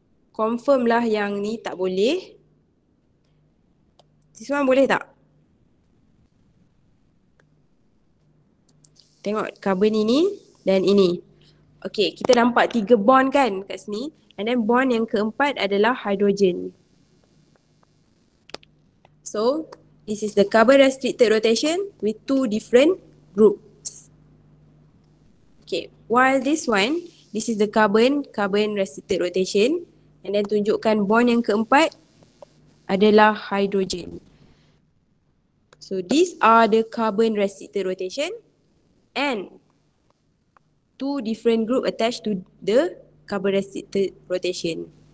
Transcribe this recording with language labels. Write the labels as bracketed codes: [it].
[ms] Confirm lah yang ni tak boleh. [en] This one [ms] boleh tak? Tengok carbon ini dan ini. Okay, kita nampak tiga bond kan kat sini. [en] And then [ms] bond yang keempat adalah hydrogen. [en] So, this is the carbon restricted rotation with two different groups. Okay, while this one, this is the carbon restricted rotation. And then [ms] tunjukkan bond yang keempat adalah hydrogen. [en] So, these are the carbon restricted rotation and two different group attached to the carbon restricted rotation.